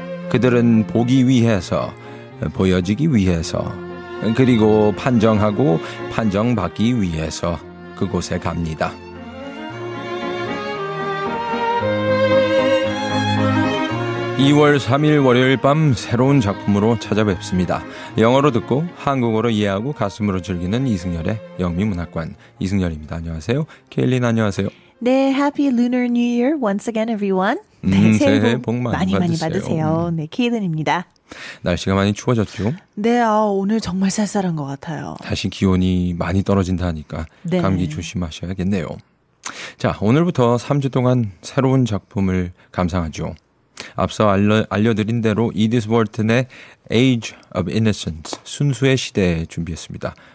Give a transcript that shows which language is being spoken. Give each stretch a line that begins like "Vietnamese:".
Korean: 그들은 보기 위해서, 보여지기 위해서, 그리고 판정하고 판정받기 위해서 그곳에 갑니다. 2월 3일 월요일 밤 새로운 작품으로 찾아뵙습니다. 영어로 듣고 한국어로 이해하고 가슴으로 즐기는 이승열의 영미문학관, 이승열입니다. 안녕하세요. 케일린, 안녕하세요.
English: 네, Happy Lunar New Year once again, everyone.
Korean: 새해 복 많이 받으세요. 많이 받으세요. 네, 케일린입니다. 날씨가 많이 추워졌죠? 네, 아, 오늘 정말 쌀쌀한 것 같아요. 다시 기온이 많이 떨어진다 하니까 네. 감기 조심하셔야겠네요. 자, 오늘부터 3주 동안 새로운 작품을 감상하죠. 앞서 알려드린 대로 이디스 월튼의 Age of Innocence, 순수의 시대 준비했습니다.